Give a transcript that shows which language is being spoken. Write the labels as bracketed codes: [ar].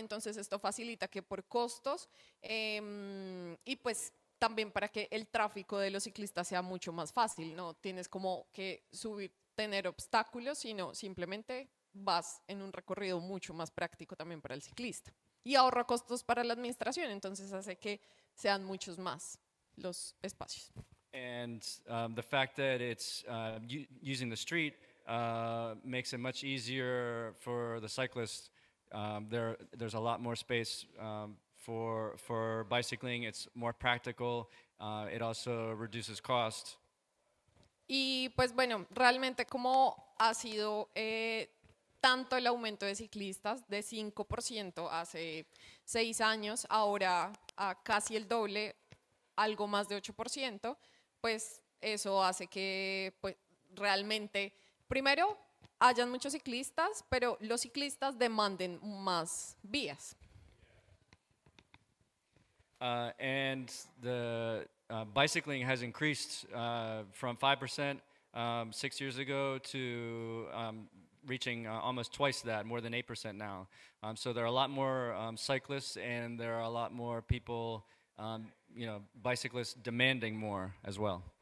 [es] Entonces esto facilita que por costos y pues también para que el tráfico de los ciclistas sea mucho más fácil. No tienes como que subir, tener obstáculos, sino simplemente vas en un recorrido mucho más práctico también para el ciclista. Y ahorra costos para la administración, entonces hace que sean muchos más los espacios. [en] And the fact that it's using the street makes it much easier for the cyclists. There's a lot more space for bicycling. It's more practical. It also reduces cost. [es] Y pues bueno, realmente como ha sido tanto el aumento de ciclistas de 5% hace 6 años, ahora a casi el doble, algo más de 8%, pues eso hace que pues realmente primero, hayan muchos ciclistas, pero los ciclistas demanden más vías. [en] And the bicycling has increased from 5% 6 years ago to reaching almost twice that, more than 8% now. So there are a lot more cyclists, and there are a lot more people, you know, bicyclists demanding more as well.